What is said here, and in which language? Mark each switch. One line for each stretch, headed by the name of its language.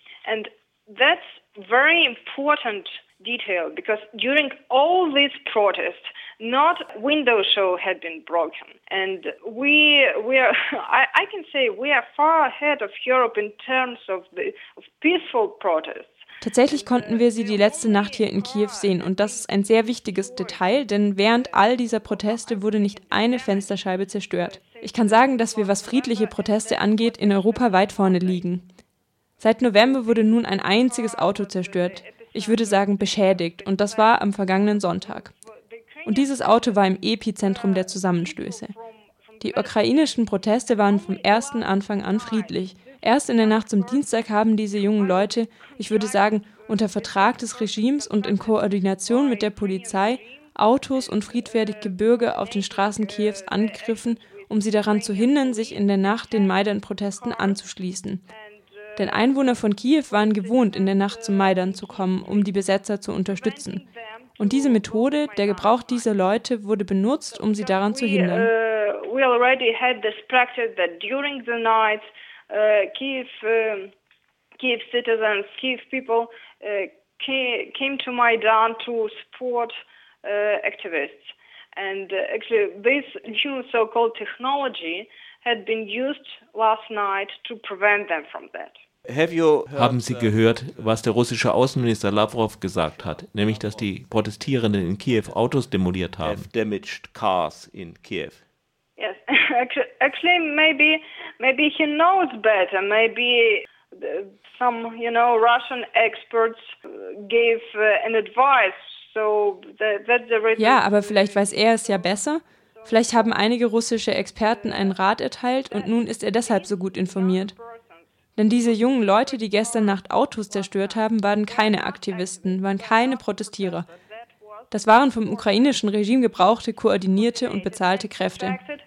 English: And that's very important detail because during all this protest, not window show had been broken. And we are far ahead of Europe in terms of the of peaceful protests.
German: Tatsächlich konnten wir sie die letzte Nacht hier in Kiew sehen und das ist ein sehr wichtiges Detail, denn während all dieser Proteste wurde nicht eine Fensterscheibe zerstört. Ich kann sagen, dass wir, was friedliche Proteste angeht, in Europa weit vorne liegen. Seit November wurde nun ein einziges Auto zerstört, ich würde sagen beschädigt, und das war am vergangenen Sonntag. Und dieses Auto war im Epizentrum der Zusammenstöße. Die ukrainischen Proteste waren vom ersten Anfang an friedlich. Erst in der Nacht zum Dienstag haben diese jungen Leute, ich würde sagen, unter Vertrag des Regimes und in Koordination mit der Polizei, Autos und friedfertige Bürger auf den Straßen Kiews angegriffen, um sie daran zu hindern, sich in der Nacht den Maidan-Protesten anzuschließen. Denn Einwohner von Kiew waren gewohnt, in der Nacht zum Maidan zu kommen, um die Besetzer zu unterstützen. Und diese Methode, der Gebrauch dieser Leute, wurde benutzt, um sie daran zu hindern.
English: We already had this practice that during the night, Kiev citizens, Kiev people came to Maidan to support activists. And actually, this new so-called technology had been used last night to prevent them from that.
German: Haben Sie gehört, was der russische Außenminister Lavrov gesagt hat, nämlich dass die Protestierenden in Kiew Autos demoliert haben?
English: Have damaged cars in Kiew. Yes, actually, maybe he knows better. Maybe some, you know, Russian experts gave an advice. So that's the reason.
German: Ja, aber vielleicht weiß er es ja besser. Vielleicht haben einige russische Experten einen Rat erteilt und nun ist er deshalb so gut informiert. Denn diese jungen Leute, die gestern Nacht Autos zerstört haben, waren keine Aktivisten, waren keine Protestierer. Das waren vom ukrainischen Regime gebrauchte, koordinierte und bezahlte Kräfte.